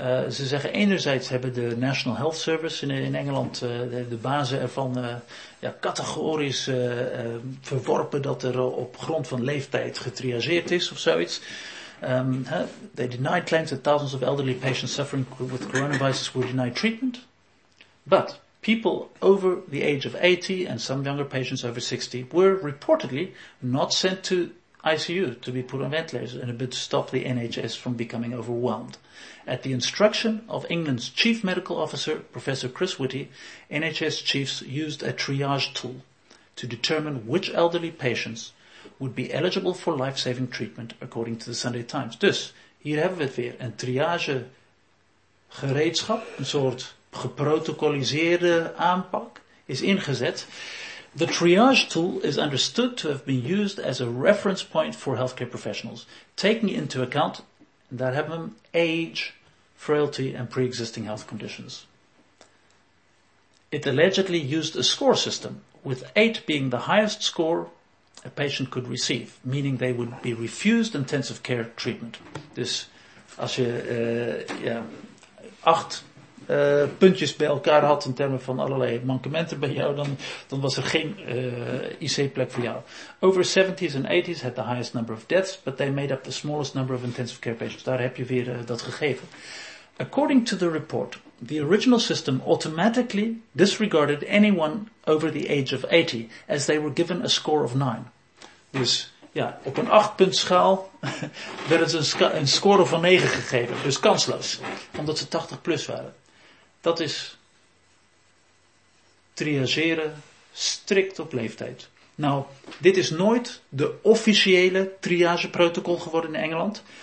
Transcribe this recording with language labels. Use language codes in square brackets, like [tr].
[nl] Ze zeggen enerzijds hebben de National Health Service in Engeland, de bazen ervan, categorisch verworpen dat er op grond van leeftijd getriageerd is of zoiets. [en] They deny claims that thousands of elderly patients suffering with coronavirus were denied treatment. But people over the age of 80 and some younger patients over 60 were reportedly not sent to ICU to be put on ventilators in a bid to stop the NHS from becoming overwhelmed. At the instruction of England's chief medical officer, Professor Chris Whitty, NHS chiefs used a triage tool to determine which elderly patients would be eligible for life-saving treatment, according to the Sunday Times. [nl] Dus, hier hebben we het weer, een triage gereedschap, een soort geprotocoliseerde aanpak, is ingezet. [en] The triage tool is understood to have been used as a reference point for healthcare professionals, taking into account, [nl] daar hebben we [en] age, frailty and pre-existing health conditions. It allegedly used a score system, with 8 being the highest score a patient could receive, meaning they would be refused intensive care treatment. [nl] Dus als je 8 puntjes bij elkaar had in termen van allerlei mankementen bij jou, dan was er geen IC-plek voor jou. [en] Over 70s and 80s had the highest number of deaths, but they made up the smallest number of intensive care patients. [nl] Daar heb je weer dat gegeven. [en] According to the report, the original system automatically disregarded anyone over the age of 80, as they were given a score of 9. [nl] Dus ja, op een 8-punt schaal werd het een score van 9 gegeven, dus kansloos, omdat ze 80 plus waren. Dat is triageren strikt op leeftijd. Nou, dit is nooit de officiële triageprotocol geworden in Engeland.